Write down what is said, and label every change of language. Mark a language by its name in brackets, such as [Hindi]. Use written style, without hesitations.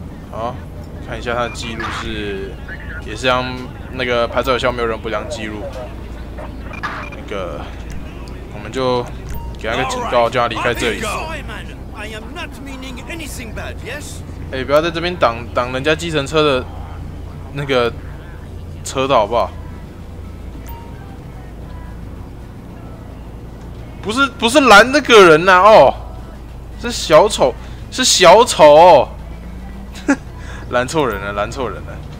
[Chinese] 好，看一下他的记录是，也是像那个拍照有效，没有人不良记录。那个，我们就给他个警告，叫他离开这里。 [English] I am not meaning anything bad, yes? [Chinese] 欸，不要在这边挡人家计程车的那个车道好不好？不是拦那个人啊，哦，是小丑，是小丑，拦错人了，拦错人了。